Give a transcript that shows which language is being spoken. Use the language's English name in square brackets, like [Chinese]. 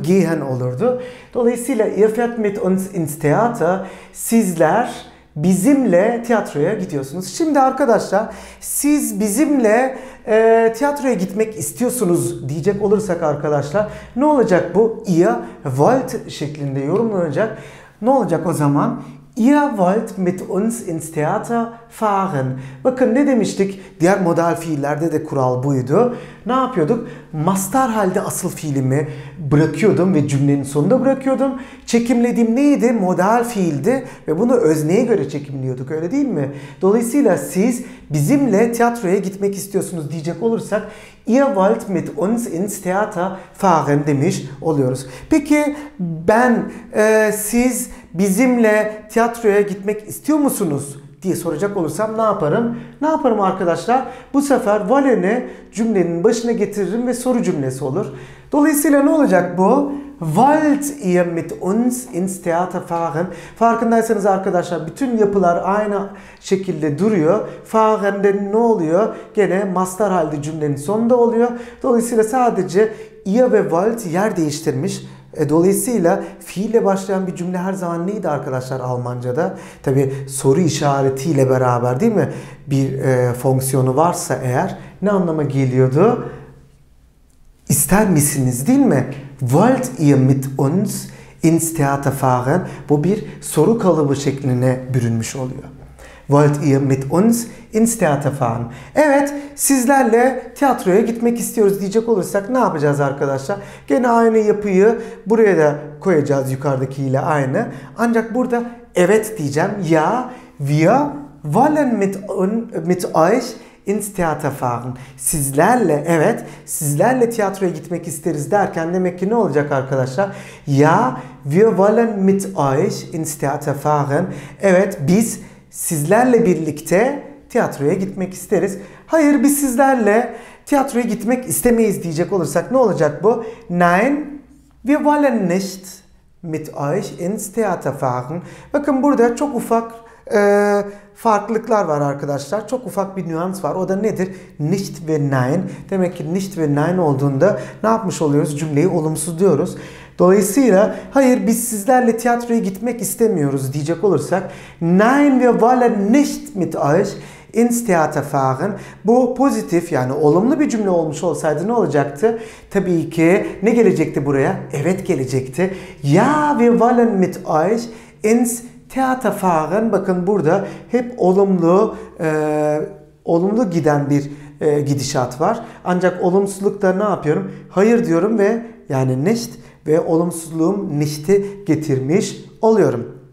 [Turkish] Gehen olurdu. Dolayısıyla [German] ihr fährt mit uns ins Theater, [Turkish] sizler bizimle tiyatroya gidiyorsunuz. Şimdi arkadaşlar, siz bizimle tiyatroya gitmek istiyorsunuz diyecek olursak arkadaşlar, ne olacak bu? [German] Ihr wollt [Turkish] şeklinde yorumlanacak. Ne olacak o zaman? [German] Ihr wollt mit uns ins Theater fahren. [Turkish] Bakın ne demiştik? Diğer modal fiillerde de kural buydu. Ne yapıyorduk? Mastar halde asıl fiilimi bırakıyordum ve cümlenin sonunda bırakıyordum. Çekimlediğim neydi? Modal fiildi ve bunu özneye göre çekimliyorduk, öyle değil mi? Dolayısıyla siz bizimle tiyatroya gitmek istiyorsunuz diyecek olursak [German] ihr wollt mit uns ins Theater fahren [Turkish] demiş oluyoruz. Peki ben, siz bizimle tiyatroya gitmek istiyor musunuz diye soracak olursam ne yaparım? Ne yaparım arkadaşlar? Bu sefer wollen'i cümlenin başına getiririm ve soru cümlesi olur. Dolayısıyla ne olacak bu? [German] Wollt ihr mit uns ins Theater fahren? [Turkish] Farkındaysanız arkadaşlar, bütün yapılar aynı şekilde duruyor. Fahren'de ne oluyor? Gene mastar halde cümlenin sonunda oluyor. Dolayısıyla sadece ihr ve wollt yer değiştirmiş. Dolayısıyla fiille başlayan bir cümle her zaman neydi arkadaşlar Almanca'da? Tabi soru işaretiyle beraber, değil mi? Bir fonksiyonu varsa eğer, ne anlama geliyordu? İster misiniz, değil mi? [German] Wollt ihr mit uns ins Theater fahren? [Turkish] Bu bir soru kalıbı şekline bürünmüş oluyor. [German] Wollt ihr mit uns ins Theater fahren? [Turkish] Evet, sizlerle tiyatroya gitmek istiyoruz diyecek olursak ne yapacağız arkadaşlar? Gene aynı yapıyı buraya da koyacağız, yukarıdakiyle aynı. Ancak burada evet diyeceğim. [German] Ja, wir wollen mit euch ins Theater fahren. [Turkish] Sizlerle, evet, sizlerle tiyatroya gitmek isteriz derken demek ki ne olacak arkadaşlar? [German] Ja, wir wollen mit euch ins Theater fahren. [Turkish] Evet, biz sizlerle birlikte tiyatroya gitmek isteriz. Hayır, biz sizlerle tiyatroya gitmek istemeyiz diyecek olursak ne olacak bu? [German] Nein, wir wollen nicht mit euch ins Theater fahren. [Turkish] Bakın burada çok ufak Farklılıklar var arkadaşlar. Çok ufak bir nüans var. O da nedir? Nicht ve nein. Demek ki nicht ve nein olduğunda ne yapmış oluyoruz? Cümleyi olumsuz diyoruz. Dolayısıyla hayır biz sizlerle tiyatroya gitmek istemiyoruz diyecek olursak [German] nein wir wollen nicht mit euch ins Theater fahren. [Turkish] Bu pozitif yani olumlu bir cümle olmuş olsaydı ne olacaktı? Tabii ki ne gelecekti buraya? Evet gelecekti. [German] Ja wir wollen mit euch ins Theater fahren. [Turkish] Bakın burada hep olumlu olumlu giden bir gidişat var. Ancak olumsuzlukta ne yapıyorum? Hayır diyorum ve yani nicht ve olumsuzluğum nicht'i getirmiş oluyorum.